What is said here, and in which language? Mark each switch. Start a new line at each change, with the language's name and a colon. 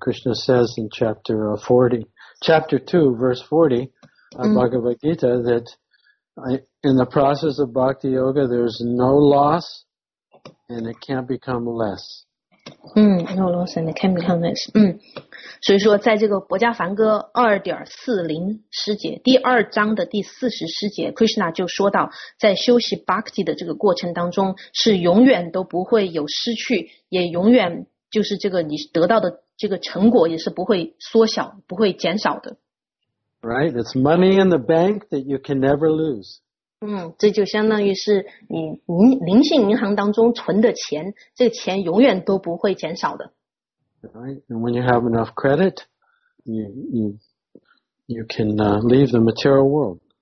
English: Krishna says in chapter 2, verse 40 of Bhagavad Gita that in the process of bhakti yoga there's no loss and it can't become less. No loss and it can't become less.
Chinese: 所以说在这个《薄伽梵歌》2.40师节第二章的第40师节 Krishna 就说到，在修习 Bhakti 的这个过程当中是永远都不会有失去，也永远就是这个你得到的这个成果也是不会缩小，不会减少的。
English: Right, it's money in the bank that you can never lose.
Chinese: 这就相当于是你灵性银行当中存的钱，这个钱永远都不会减少的。
English: Right? And when you have enough credit, you can leave the material world.